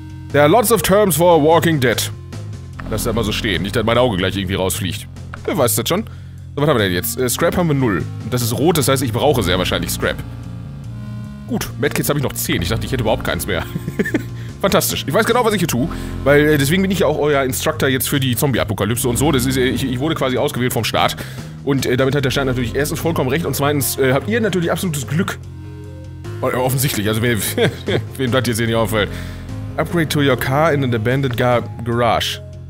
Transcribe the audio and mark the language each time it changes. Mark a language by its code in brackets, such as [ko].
[en] There are lots of terms for Walking Dead. [de] Lass das mal so stehen, nicht, dass mein Auge gleich irgendwie rausfliegt. Wer weiß das schon? So, was haben wir denn jetzt? Scrap haben wir 0. Das ist rot, das heißt, ich brauche sehr wahrscheinlich Scrap. Gut, Medkits habe ich noch 10. Ich dachte, ich hätte überhaupt keins mehr. Fantastisch. Ich weiß genau, was ich hier tue. Weil deswegen bin ich ja auch euer Instructor jetzt für die Zombie-Apokalypse und so. Das ist, ich wurde quasi ausgewählt vom Staat. Und damit hat der Staat natürlich erstens vollkommen recht und zweitens habt ihr natürlich absolutes Glück. Offensichtlich, also wem das jetzt hier nicht auffällt. [en] Upgrade to your car in an abandoned garage.